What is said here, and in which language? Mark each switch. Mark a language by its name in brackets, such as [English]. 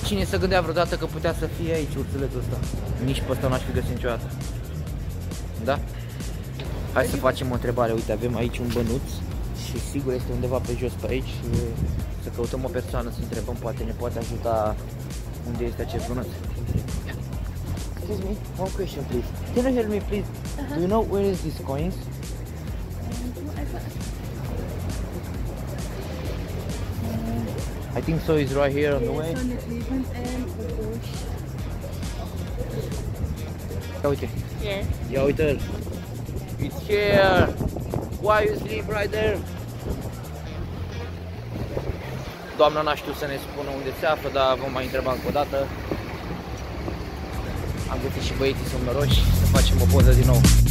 [Romanian] Cine se gândea vreodată că putea să fie aici urțeletul ăsta? Nici pe ăsta n-aș fi găsit niciodată. Da? Hai să facem o întrebare. Uite, avem aici un bănuț și sigur este undeva pe jos pe aici. Să căutăm o persoană, să întrebăm, poate ne poate ajuta unde este acest bănuț. [English] Excuse me, one question please. Can you help me please? Uh-huh. Do you know where is this coins? I think so, it's right here on the way. It's on the bush. [Romanian] Ia uite. [English] Yeah. [Romanian] Ia uite. [English] It's here. Why you sleep right there? [Romanian] Doamna n-a știut să ne spună unde se află, dar vom mai întreba încă o dată. Am găsit și băieții somnoroși, să facem o poză din nou.